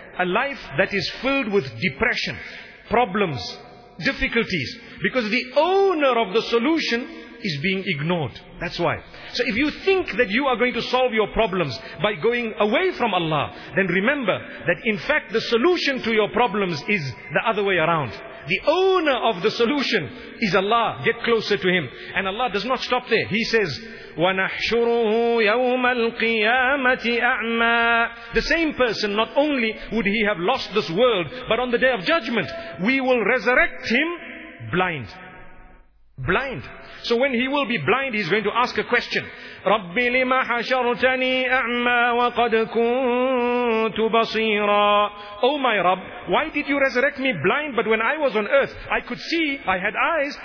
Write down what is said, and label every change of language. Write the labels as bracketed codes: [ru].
[en] A life that is filled with depression, problems, difficulties, because the owner of the solution is being ignored. That's why. So if you think that you are going to solve your problems by going away from Allah, then remember that in fact the solution to your problems is the other way around. The owner of the solution is Allah. Get closer to Him. And Allah does not stop there. He says, [ar] وَنَحْشُرُهُ يَوْمَ الْقِيَامَةِ أَعْمَى. [en] The same person, not only would he have lost this world, but on the day of judgment, we will resurrect him blind. Blind. So when he will be blind, he's going to ask a question. [ar] رَبِّ لِمَ حَشَرْتَنِي أَعْمَى وَقَدْ كُنْتُ بَصِيرًا. [en] Oh my Rabb, why did you resurrect me blind? But when I was on earth, I could see, I had eyes.